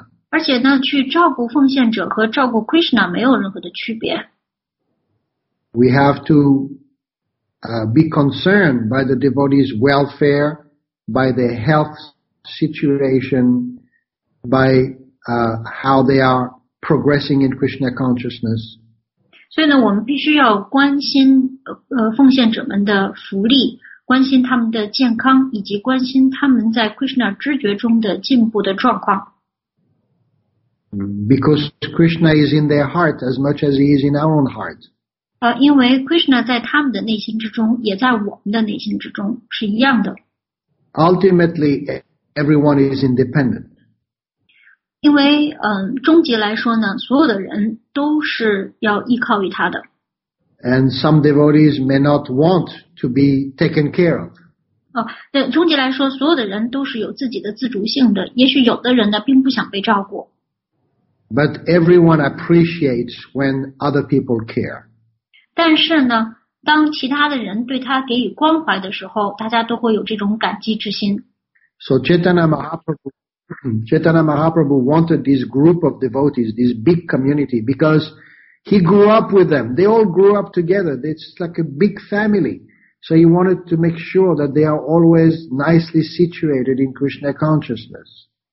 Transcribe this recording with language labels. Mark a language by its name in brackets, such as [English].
[Chinese] 而且呢去照顾奉献者和照顾 Krishna 没有任何的区别。 [English] We have to be concerned by the devotees' welfare,by their health situation, by how they are progressing in Krishna consciousness. [Chinese] 所以呢，我们必须要关心奉献者们的福利，关心他们的健康，以及关心他们在 Krishna 知觉中的进步的状况。 [English] Because Krishna is in their heart as much as he is in our own heart. [Chinese] 因为 Krishna 在他们的内心之中，也在我们的内心之中，是一样的。 [English] Ultimately, everyone is independent. [Chinese] 因为终极来说呢，所有的人都是要依靠于他的。 [English] And some devotees may not want to be taken care of. [Chinese] 哦，对，终极来说，所有的人都是有自己的自主性的。也许有的人呢，并不想被照顾。 [English] But everyone appreciates when other people care. [Chinese] 但是呢，当其他的人对他给予关怀的时候，大家都会有这种感激之心。 [English] So Chaitanya Mahaprabhu wanted this group of devotees, this big community, because he grew up with them. They all grew up together. It's like a big family. So he wanted to make sure that they are always nicely situated in Krishna consciousness.